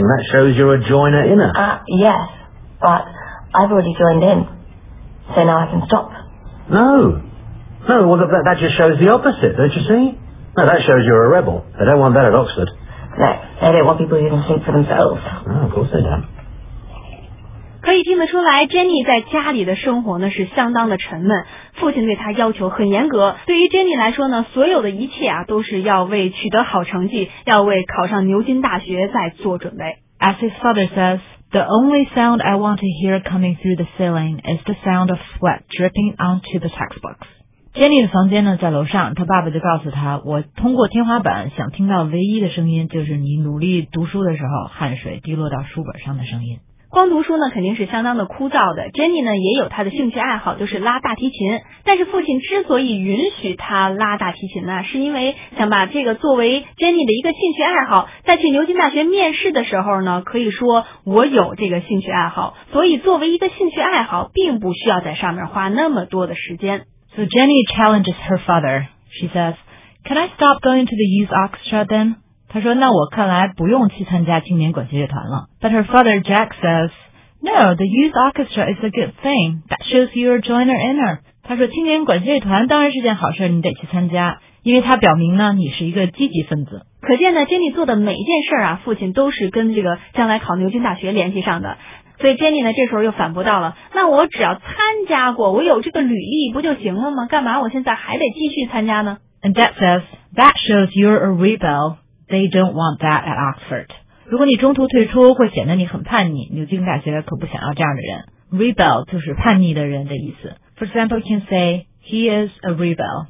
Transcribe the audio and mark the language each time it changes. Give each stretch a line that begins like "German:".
English: That shows you're a joiner in it. Yes. But I've already joined in. So now I can stop. No. No, well, that just shows the opposite, don't you see? No, that shows you're a rebel. They don't want that at Oxford. No, they don't want people who can think for themselves. Oh, of course they don't.
Chinese: 可以听得出来 ，Jenny 在家里的生活呢是相当的沉闷，父亲对她要求很严格。对于 Jenny 来说呢，所有的一切啊都是要为取得好成绩，要为考上牛津大学在做准备。
English: As his father says, the only sound I want to hear coming through the ceiling is the sound of sweat dripping onto the textbooks.
Chinese: Jenny 的房间呢在楼上，她爸爸就告诉她，我通过天花板想听到唯一的声音就是你努力读书的时候汗水滴落到书本上的声音。光读书呢肯定是相当的枯燥的， Jenny 呢也有她的兴趣爱好，就是拉大提琴，但是父亲之所以允许她拉大提琴呢，是因为想把这个作为 Jenny 的一个兴趣爱好，在去牛津大学面试的时候呢可以说我有这个兴趣爱好，所以作为一个兴趣爱好并不需要在上面花那么多的时间。
English: So Jenny challenges her father. She says, Can I stop going to the youth orchestra then?
Chinese: 他说那我看来不用去参加青年管弦乐团了。
English: But her father Jack says, No, the youth orchestra is a good thing. That shows you're a joiner in her.
Chinese: 他说青年管弦乐团当然是件好事，你得去参加，因为他表明呢你是一个积极分子。可见呢 Jenny 做的每一件事啊，父亲都是跟这个将来考牛津大学联系上的。所以 Jenny 呢这时候又反驳到了，那我只要参加过，我有这个履历不就行了吗？干嘛我现在还得继续参加呢？
English: And Jack says, That shows you're a rebel. They don't want that at Oxford.
Chinese: 如果你中途退出会显得你很叛逆，牛津大学可不想要这样的人。 Rebel 就是叛逆的人的意思。
English: For example, you can say He is a rebel.